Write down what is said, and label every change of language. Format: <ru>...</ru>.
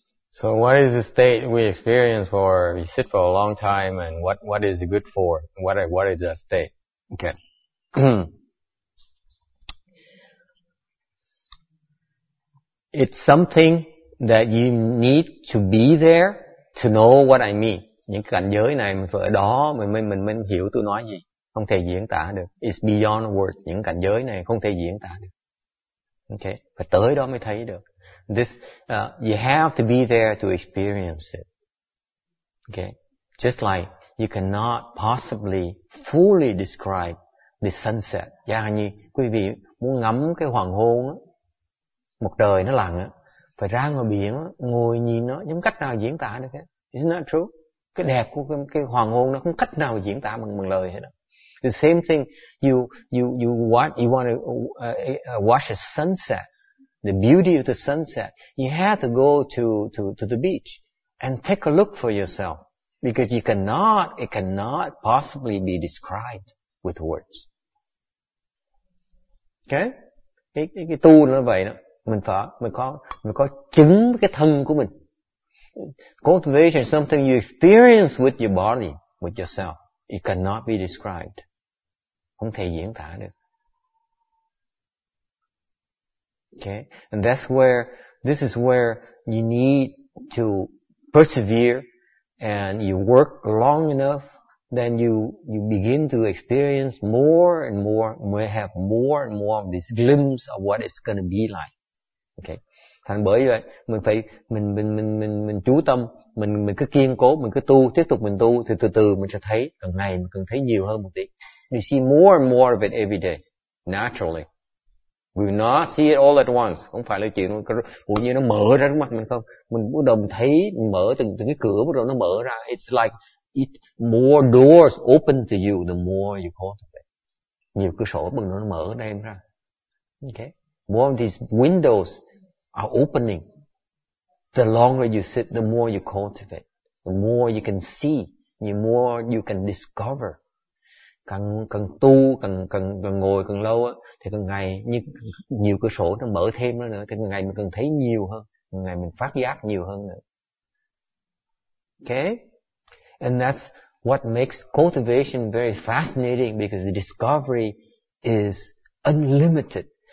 <en>So what is the state we experience for? We sit for a long time, and what is it good for? What is the state? Okay. It's something that you need to be there to know what I mean.</en> <vi>Những cảnh giới này mình phải ở đó mình hiểu tôi nói gì. Không thể diễn tả được.</vi> <en>It's beyond words.</en> <vi>Những cảnh giới này không thể diễn tả được. Okay. Phải tới đó mới thấy được.</vi> <en>This you have to be there to experience it. Okay? Just like you cannot possibly fully describe the sunset.</en> <vi>Giả như quý vị muốn ngắm cái hoàng hôn á, một đời nó lặng á, phải ra ngoài biển á, ngồi nhìn nó, không cách nào diễn tả được hết.</vi> <en>Isn't that true?</en> <vi>Cái đẹp của cái hoàng hôn nó không cách nào diễn tả bằng lời hết đó.</vi> <en>The same thing you want to watch a sunset. The beauty of the sunset, you have to go to the beach and take a look for yourself, because it cannot possibly be described with words. Okay?</en> <vi>Cái tu nó vậy đó, mình có chứng cái thân của mình.</vi> <en>Cultivation is something you experience with your body, with yourself. It cannot be described.</en> <vi>Không thể diễn tả được.</vi> <en>Okay, and this is where you need to persevere, and you work long enough, then you begin to experience more and more, may have more and more of this glimpse of what it's going to be like. Okay,</en> <vi>Thành bởi vậy mình phải mình chú tâm, mình cứ kiên cố, mình cứ tu, tiếp tục mình tu thì từ từ mình sẽ thấy, càng ngày mình càng thấy nhiều hơn một tí.</vi> <en>You see more and more of it every day, naturally. We will not see it all at once.</en> <vi>Không phải là chuyện tự nhiên nó mở ra trước mặt mình không. Mình bắt đầu thấy mở từng cái cửa, bắt đầu nó mở ra.</vi> <en>It's like it more doors open to you the more you cultivate.</en> <vi>Nhiều cửa sổ bằng nó mở đem ra.</vi> <en>Okay. More of these windows are opening. The longer you sit, the more you cultivate. The more you can see, the more you can discover.</en> <vi>Càng tu, càng ngồi càng lâu á, thì càng ngày như nhiều cửa sổ nó mở thêm nữa, thì càng ngày mình càng thấy nhiều hơn, càng ngày mình phát giác nhiều hơn nữa.</vi> <en>Okay? And that's what makes cultivation very fascinating, because the discovery is unlimited.</en>